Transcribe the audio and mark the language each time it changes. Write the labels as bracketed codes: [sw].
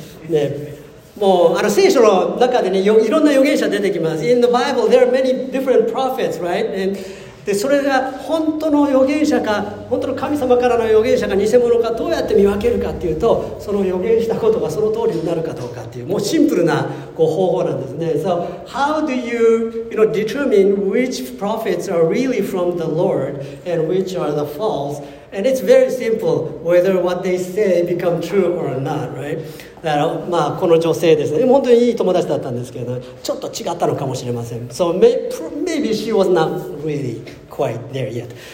[ja] ね、もう聖書の中でね、いろんな預言者出てきます。 [en] In the Bible, there are many different prophets, right? And [ja] でそれが本当の預言者か、本当の神様からの預言者か、偽物か、どうやって見分けるかっていうと、その預言したことがその通りになるかどうかっていう、もうシンプルなこう方法なんですね。 [en] So, how do you, you know, determine which prophets are really from the Lord and which are the false? And it's very simple whether what they say become true or not, right? [ja] だからまあ、この女性ですね、本当にいい友達だったんですけど、ちょっと違ったのかもしれません。 [en] So maybe she was not really quite there yet.